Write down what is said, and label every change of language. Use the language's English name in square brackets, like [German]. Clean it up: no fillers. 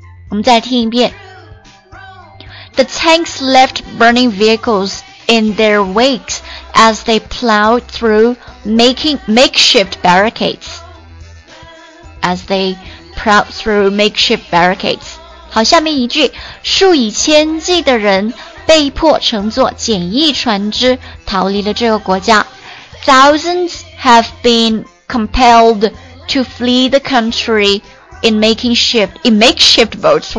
[Chinese] 我们再听一遍 [English] The tanks left burning vehicles in their wakes as they plowed through makeshift barricades. As they plowed through makeshift barricades. [Chinese] 好，下面一句，数以千计的人被迫乘坐简易船只逃离了这个国家。 [English] Thousands have been compelled to flee the country in makeshift boats.